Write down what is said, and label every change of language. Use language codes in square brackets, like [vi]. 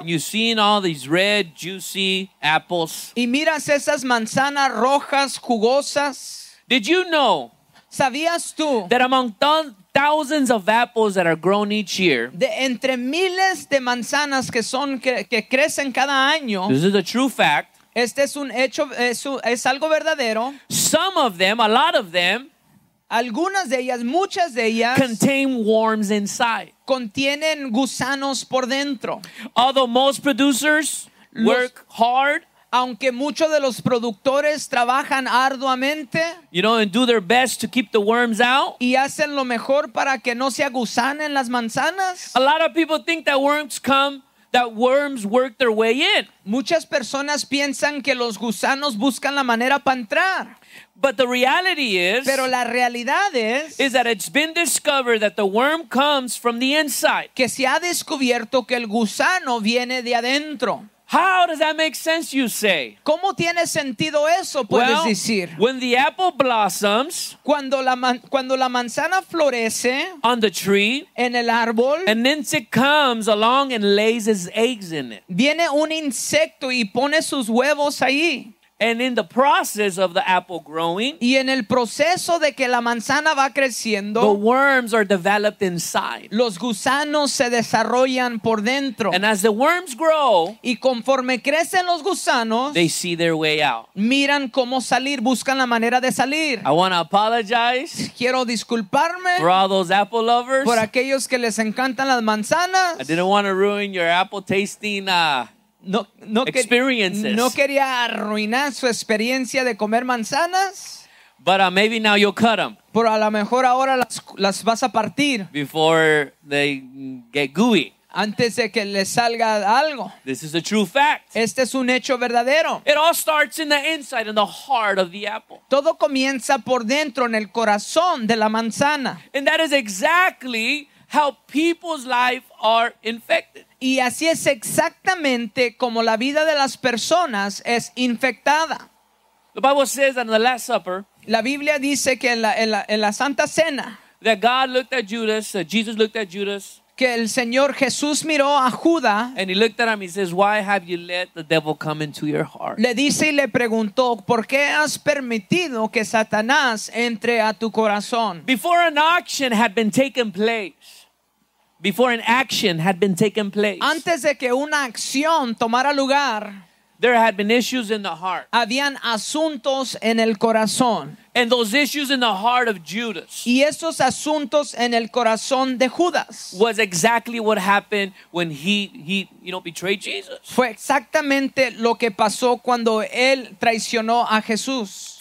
[en] And you've seen all these red, juicy apples. [es] ¿Y miras esas manzanas rojas jugosas? [en] Did you know? [es] ¿Sabías tú? [en] That among thousands of apples that are grown each year. [es] De entre miles de manzanas que son que crecen cada año. [en] This is a true fact. [es] Este es un hecho, es algo verdadero. [en] Some of them, a lot of them. [es] Algunas de ellas, muchas de ellas, [en] contain worms inside. [es] Contienen gusanos por dentro. [en] Although most producers work hard, [es] aunque muchos de los productores trabajan arduamente, [en] you know, and do their best to keep the worms out, [es] y hacen lo mejor para que no se agusanen las manzanas. [en] A lot of people think that worms come. That worms work their way in. [es] Muchas personas piensan que los gusanos buscan la manera para entrar. [en] But the reality is. [es] Pero la realidad es. [en] Is that it's been discovered that the worm comes from the inside. [es] Que se ha descubierto que el gusano viene de adentro. [en] How does that make sense, you say? [es] ¿Cómo tiene sentido eso, puedes well, decir? [en] When the apple blossoms, [es] cuando la manzana florece, [en] on the tree, [es] en el árbol, [en] and then it comes along and lays its eggs in it. [es] Viene un insecto y pone sus huevos ahí. [en] And in the process of the apple growing, [es] y en el proceso de que la manzana va creciendo, [en] the worms are developed inside. [es] Los gusanos se desarrollan por dentro. [en] And as the worms grow, [es] y conforme crecen los gusanos, [en] they see their way out. [es] Miran cómo salir, buscan la manera de salir. [en] I want to apologize. [es] Quiero disculparme. [en] For all those apple lovers. [es] Por aquellos que les encantan las manzanas. [en] I didn't want to ruin your apple tasting experiences. [es] No quería arruinar su experiencia de comer manzanas. [en] But maybe now you'll cut them. [es] Pero a lo mejor ahora las vas a partir. [en] Before they get gooey. [es] antes de que le salga algo. [en] This is a true fact. [es] Este es un hecho verdadero. [en] It all starts in the inside, in the heart of the apple. [es] Todo comienza por dentro, en el corazón de la manzana. [en] And that is exactly how people's lives are infected. [es] Y así es exactamente como la vida de las personas es infectada. [en] The Bible says that in the Last Supper, [es] la Biblia dice que en la Santa Cena, [en] that God looked at Judas, that Jesus looked at Judas, [es] que el Señor Jesús miró a Judas, [en] and he looked at him, he says, why have you let the devil come into your heart? [es] Le dice y le preguntó, ¿por qué has permitido que Satanás entre a tu corazón? [en] Before an auction had been taken place, before an action had been taken place, [es] antes de que una acción tomara lugar, [en] there had been issues in the heart. [es] Habían asuntos en el corazón. [en] And those issues in the heart of Judas. [es] Y esos asuntos en el corazón de Judas. [en] Was exactly what happened when he you know betrayed Jesus. [es] Fue exactamente lo que pasó cuando él traicionó a Jesús.